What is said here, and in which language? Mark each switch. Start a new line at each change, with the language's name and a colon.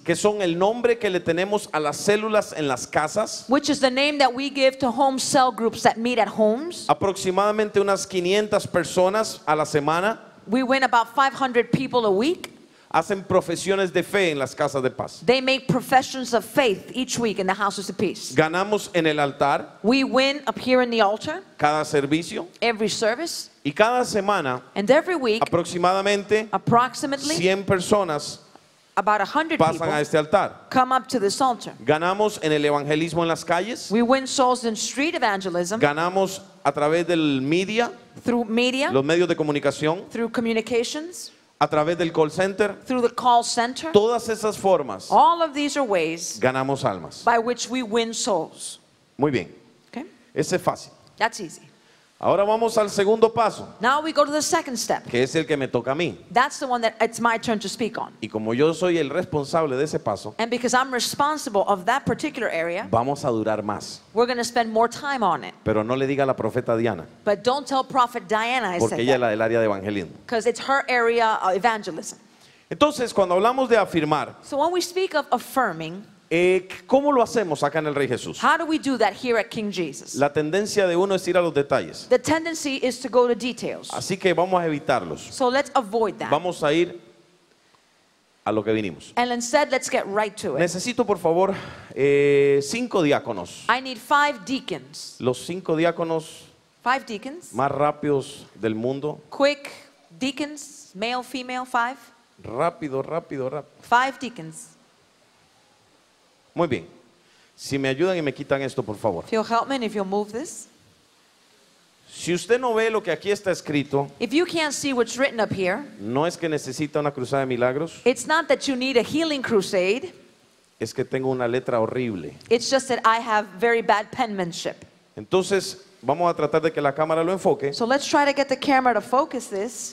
Spanish: Que son el nombre que le tenemos a las células en las casas.
English: Which is the name that we give to home cell groups that meet at homes.
Spanish: Aproximadamente unas 500 personas a la semana.
English: We win about 500 people a week.
Spanish: Hacen profesiones de fe en las casas de paz.
English: They make professions of faith each week in the houses of peace.
Spanish: Ganamos en el altar.
English: We win up here in the altar.
Spanish: Cada servicio.
English: Every service.
Spanish: Y cada semana.
English: And every week.
Spanish: Aproximadamente.
English: Approximately.
Spanish: 100 personas.
English: About 100
Spanish: pasan
English: people
Spanish: a este altar.
English: Come up to this altar.
Spanish: Ganamos en el evangelismo en las calles.
English: We win souls in street evangelism.
Spanish: Ganamos a través del media.
English: Through media.
Spanish: Los medios de comunicación.
English: Through communications.
Spanish: A través del call center,
English: through the call center,
Spanish: todas esas formas,
English: all of these are ways,
Spanish: ganamos almas,
English: by which we win souls.
Spanish: Muy bien.
English: Okay.
Spanish: Ese es fácil.
English: That's easy.
Spanish: Ahora vamos al segundo paso.
English: Now we go to the second step.
Spanish: Que es el que me toca a mí.
English: That's the one that it's my turn to speak on.
Spanish: Y como yo soy el responsable de ese paso,
English: and because I'm responsible of that particular area,
Spanish: vamos a durar más.
English: We're going to spend more time on it.
Spanish: Pero no le diga a la profeta Diana.
English: But don't tell Prophet Diana I said that.
Spanish: Porque ella es la del área de evangelismo.
English: Because it's her area of evangelism.
Spanish: Entonces, cuando hablamos de afirmar,
English: so when we speak of affirming,
Spanish: ¿cómo lo hacemos acá en el Rey Jesús?
English: How do we do that here at King Jesus?
Spanish: La tendencia de uno es ir a los detalles.
English: The tendency is to go to details.
Spanish: Así que vamos a evitarlos.
English: So let's avoid that.
Spanish: Vamos a ir a lo que vinimos.
English: And instead, let's get right to it.
Spanish: Necesito, por favor, 5 diáconos.
English: I need 5 deacons.
Spanish: Los 5 diáconos.
English: 5 deacons.
Spanish: Más rápidos del mundo.
English: Quick deacons, male, female, 5.
Spanish: Rápido, rápido, rápido.
English: 5 deacons.
Spanish: Muy bien. Si me ayudan y me quitan esto, por favor.
English: If you'll help me and if you'll move this.
Spanish: Si usted no ve lo que aquí está escrito,
English: if you can't see what's written up here,
Spanish: no es que necesita una cruzada de milagros.
English: It's not that you need a healing crusade.
Spanish: Es que tengo una letra horrible.
English: It's just that I have very bad penmanship.
Spanish: Entonces, vamos a tratar de que la cámara lo enfoque.
English: So let's try to get the camera to focus this.